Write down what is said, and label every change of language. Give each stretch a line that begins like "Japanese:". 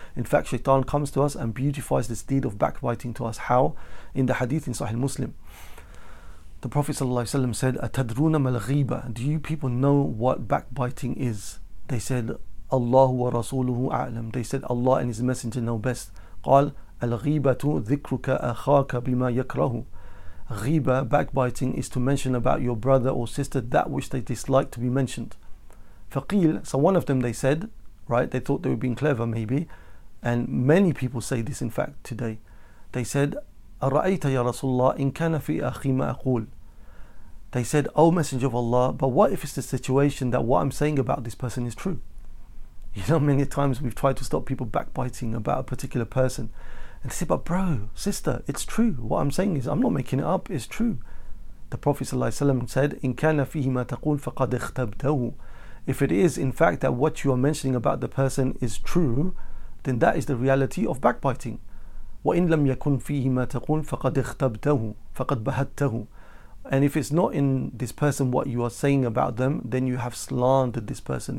English: In fact, Shaitan comes to us and beautifies this deed of backbiting to us. How? In the hadith in Sahih Muslim, the Prophet ﷺ said,
Arabic: "Atadruna mal ghiba?"
English: Do you people know what backbiting is? They said,
Arabic: "Allahu wa rasuluhu a'lam."
English: They said, "Allah and His Messenger know best."
Arabic: قال الغيبة ذكرك أخاك بما يكره.
English: Ghiba, backbiting, is to mention about your brother or sister that which they dislike to be mentioned.
Arabic: فقيل,
English: so one of them they said, right, they thought they were being clever maybe, and many people say this in fact today. They said,
Arabic: أرأيت يا رسول الله إن كان في أخي ما أقول.
English: They said, O Messenger of Allah, but what if it's the situation that what I'm saying about this person is true? You know, many times we've tried to stop people backbiting about a particular person. And they say, but bro, sister, it's true. What I'm saying is, I'm not making it up, it's true. The Prophet ﷺ said,
Arabic: إِن كَانَ فِيهِ مَا تَقُولُ فَقَدْ اخْتَبْتَهُ.
English: If it is, in fact, that what you are mentioning about the person is true, then that is the reality of backbiting.
Arabic: وَإِن لَمْ يَكُنْ فِيهِ مَا تَقُولُ فَقَدْ اخْتَبْتَهُ فَقَدْ بَهَدْتَهُ.
English: And if it's not in this person what you are saying about them, then you have slandered this person.